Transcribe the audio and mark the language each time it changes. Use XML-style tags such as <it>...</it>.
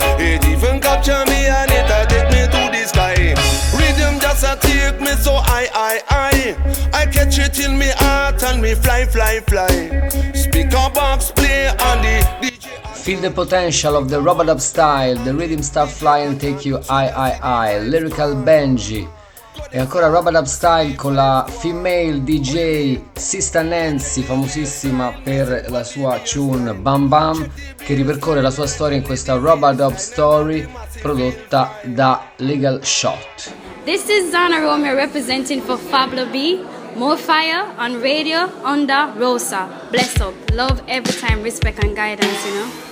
<en>It even capture me and it take me to the sky. Rhythm just take me so high, high, high. I catch it in me heart and me fly, fly, fly. Speaker box play on the DJ. Feel the potential of the Rubber Dub style, the rhythm start flying, take you high, high, high. Lyrical Benji.</en> <it>E ancora Rubber Dub style con la female DJ Sister Nancy, famosissima per la sua tune Bam Bam, che ripercorre la sua storia in questa Rubber Dub Story prodotta da Legal Shot.</it> <en>This is Zana Romeo representing for Fablo B. More fire on radio Onda Rosa. Bless up. Love every time, respect and guidance, you know.</en>